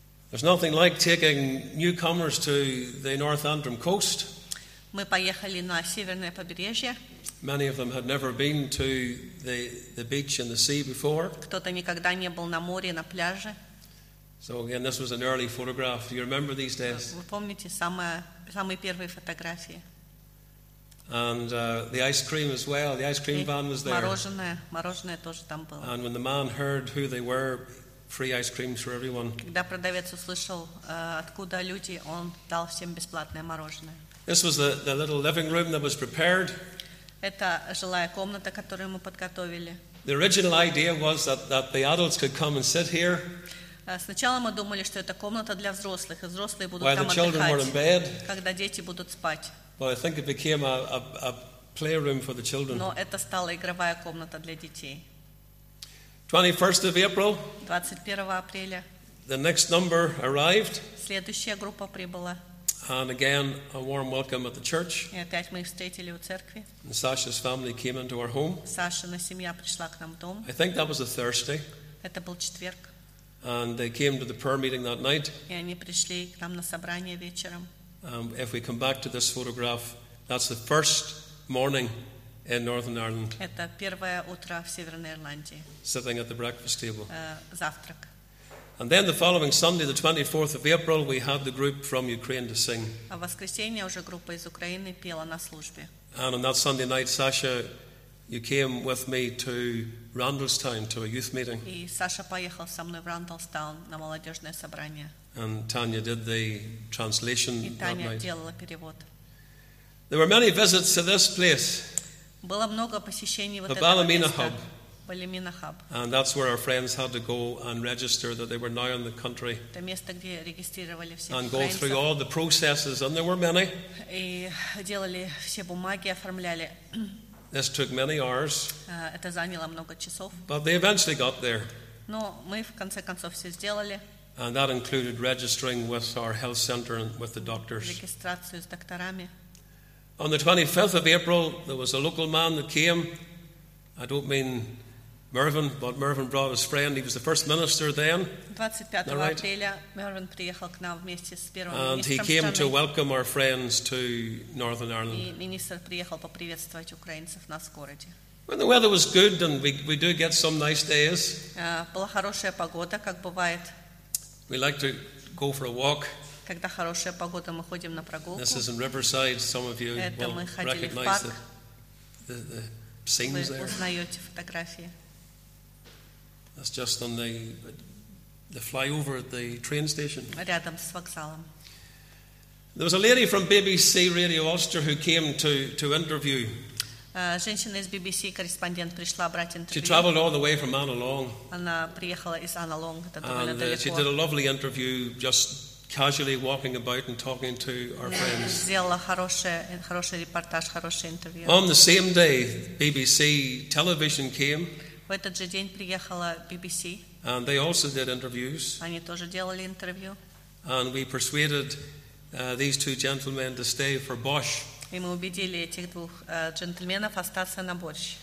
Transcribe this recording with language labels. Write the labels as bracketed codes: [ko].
[en] There's nothing like taking newcomers to the North Antrim coast. [ru] Мы поехали на северное побережье. [en] Many of them had never been to the beach and the sea before. [ru] Кто-то никогда не был на море, на пляже. [en] So again, this was an early photograph. Do you remember these days? [ru] Вы помните самые первые фотографии? [en] And the ice cream as well. The ice cream van was there. [ru] Мороженое тоже там было. [en] And when the man heard who they were, free ice creams for everyone. [ru] Когда продавец услышал, откуда люди, он дал всем бесплатное мороженое. [en] This was the little living room that was prepared. [ru] Это жилая комната, которую мы подготовили. [en] The original idea was that the adults could come and sit here. [ru] Сначала мы думали, что это комната для взрослых, и взрослые будут там отдыхать. [en] While the children were in bed. [ru] Когда дети будут спать. [en] Well, I think it became a playroom for the children. [ru] Но это стала игровая комната для детей. [en] 21st of April. [ru] 21 апреля. [en] The next number arrived. [ru] Следующая группа прибыла. [en] And again, a warm welcome at the church. [ru] И опять мы их встретили у церкви. [en] And Sasha's family came into our home. [ru] Сашина семья пришла к нам в дом. [en] I think that was a Thursday. [ru] Это был четверг. [en] And they came to the prayer meeting that night. [ru] И они пришли к нам на собрание вечером. [en] If we come back to this photograph, that's the first morning in Northern Ireland. [ru] Это первое утро в Северной Ирландии. [en] Sitting at the breakfast table. [ru] Завтрак. [en] And then the following Sunday, the 24th of April, we had the group from Ukraine to sing. [ru] А в воскресенье уже группа из Украины пела на службе. [en] And on that Sunday night, Sasha, you came with me to Randallstown to a youth meeting. [ru] И Саша поехал со мной в Рандалстаун на молодежное собрание. [en] And Tanya did the translation that night. [ru] И Таня делала перевод. [en] There were many visits to this place. [ru] Было много посещений вот этого места. [en] The Ballymena Hub. And that's where our friends had to go and register that they were now in the country. [ru] Это место, где регистрировали всех. [en] And go through all the processes, and there were many. [ru] И делали все бумаги, оформляли. [en] This took many hours. [ru] Это заняло много часов. [en] But they eventually got there. [ru] Но мы в конце концов все сделали. [en] And that included registering with our health center and with the doctors. [ru] Регистрацию с докторами. [en] On the 25th of April, there was a local man that came. I don't mean Mervyn, but Mervyn brought his friend. He was the first minister then. [ru] 25 апреля Mervyn приехал к нам вместе с первым министром. [en] And he came to welcome our friends to Northern Ireland. [ru] И министр приехал поприветствовать украинцев на скороде. [en] When the weather was good, and we do get some nice days. [ru] Была хорошая погода, как бывает. [en] We like to go for a walk. [ru] когда хорошая погода, мы ходим на прогулку. [en] This is in Riverside. Some of you [ru] это [en] will [ru] мы ходили [en] recognize [ru] в парк. [en] The scenes [ru] вы [en] there. [ru] Узнаете фотографии. [en] That's just on the flyover at the train station. [ru] Рядом с вокзалом. [en] There was a lady from BBC Radio Ulster who came to interview. [ru] Женщина из BBC, корреспондент, пришла брать интервью. [en] She traveled all the way from Analong. [ru] Она приехала из Analong, это довольно далеко. [en] And she did a lovely interview, just casually walking about and talking to our friends. [ru] Сделала хороший репортаж, хорошее интервью. [en] On the same day, BBC television came. [ru] В этот же день приехала BBC. [en] And they also did interviews. [ru] Они тоже делали интервью. [en] And we persuaded these two gentlemen to stay for Bosch. [ru] И мы убедили этих двух джентльменов остаться на борщ.